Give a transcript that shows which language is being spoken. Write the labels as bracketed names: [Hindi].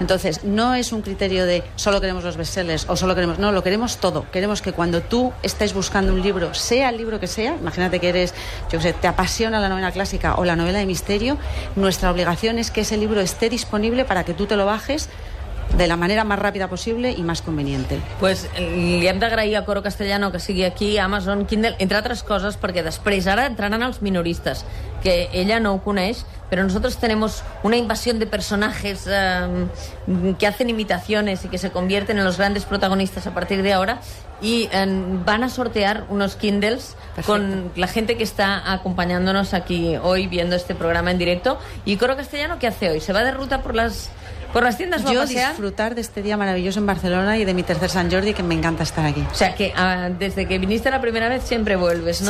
[Spanish] Entonces, no es un criterio de solo queremos los bestsellers o solo queremos... No, lo queremos todo. Queremos que cuando tú estés buscando un libro, sea el libro que sea, imagínate que eres, yo qué sé, te apasiona la novela clásica o la novela de misterio, nuestra obligación es que ese libro esté disponible para que tú te lo bajes de la manera más rápida posible y más conveniente. [Catalan] Pues li hem d'agrair a Coro Castellano que sigui aquí, Amazon, Kindle, entre altres coses, perquè després ara entraran els minoristes, que ella no ho coneix, però nosaltres tenim una invasió de personatges que [Spanish] hacen imitaciones i que se convierten en los grandes protagonistas a partir de ahora, y van a sortear unos Kindles. Perfecto. Con la gente que está acompañándonos aquí hoy viendo este programa en directo. Y Coro Castellano, ¿qué hace hoy? ¿Se va de ruta por las... ¿por las tiendas? Yo a pasear, disfrutar de este día maravilloso en Barcelona y de mi tercer San Jordi, que me encanta estar aquí. O sea, que desde que viniste la primera vez siempre vuelves, ¿no?